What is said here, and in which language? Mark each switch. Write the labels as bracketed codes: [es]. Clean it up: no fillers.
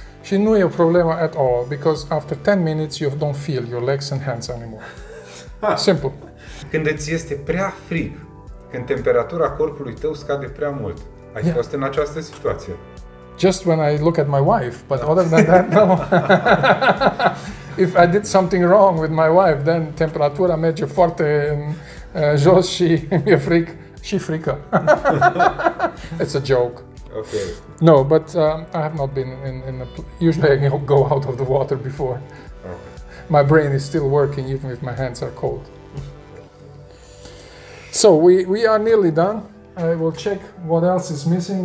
[ro] Și nu e o problemă [en] at all, because after 10 minutes you don't feel your legs and hands anymore. Simple. [ro] Când îți este prea frig, când temperatura corpului tău scade prea mult, ai fost în această situație? [en] Just when I look at my wife, but other than that, no. If I did something wrong with my wife, then [ro] temperatura merge foarte în jos și mi-e frig și frică. [en] It's a joke. Okay. No, but I have not been in a usually I go out of the water before. Okay. My brain is still working even if my hands are cold. So we are nearly done. I will check what else is missing.